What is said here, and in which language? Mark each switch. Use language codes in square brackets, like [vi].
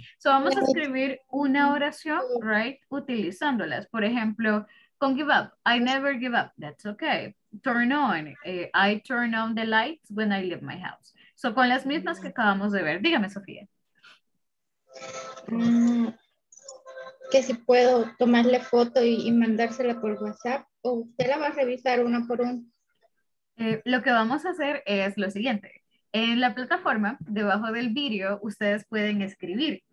[es] So vamos a escribir una oración, right, utilizándolas. Por ejemplo, con [en] give up, I never give up, that's okay. Turn on, I turn on the lights when I leave my house. [es] So con las mismas que acabamos de ver, dígame, Sofía. Que si puedo tomarle foto y mandársela por WhatsApp, o usted la va a revisar una por una. Lo que vamos a hacer es lo siguiente. En la plataforma, debajo del video, ustedes pueden escribir.